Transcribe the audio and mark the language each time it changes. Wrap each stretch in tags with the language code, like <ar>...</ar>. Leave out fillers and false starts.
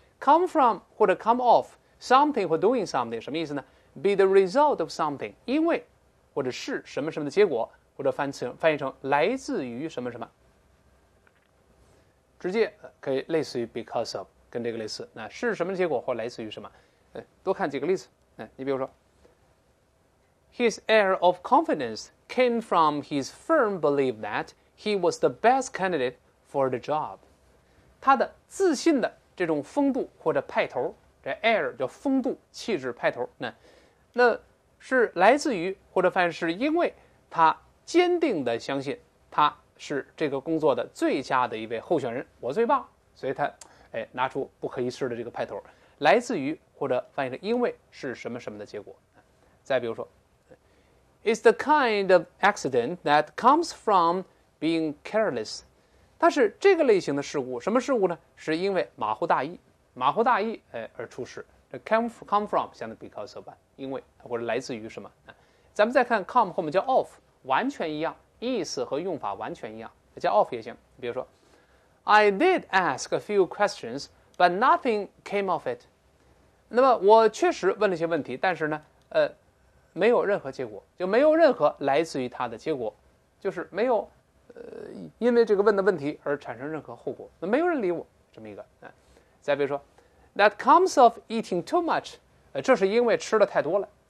<zh>Come from 或者 come of something 或 doing something 什么意思呢 ？</zh> <en>Be the result of something，</en> <zh>因为或者是什么什么的结果，或者翻译成来自于什么什么，直接可以类似于 because of， 跟这个类似。那是什么结果或来自于什么？多看几个例子。你比如说</zh> <en>，His air of confidence came from his firm belief that he was the best candidate for the job。</en> <zh>他的自信的。这种风度或者派头，这 air 叫风度、气质、派头，那是来自于或者反是因为他坚定的相信他是这个工作的最佳的一位候选人，我最棒，所以他拿出不可一世的这个派头，来自于或者翻译成因为是什么什么的结果。再比如说</zh> <en>，It's the kind of accident that comes from being careless。</en> <zh>它是这个类型的事故，什么事故呢？是因为马虎大意而出事。 Come from 相当于 because of， 因为或者来自于什么、咱们再看 come 后面叫 of， 完全一样，意思和用法完全一样，叫 of 也行。比如说</zh> <en>I did ask a few questions but nothing came of it，</en> <zh>那么我确实问了一些问题，但是呢没有任何结果，就没有任何来自于它的结果，就是没有因为这个问的问题而产生任何后果，那没有人理我，这么一个、再比如说</zh> <en>That comes of eating too much、</en> <zh>这是因为吃的太多了。</zh>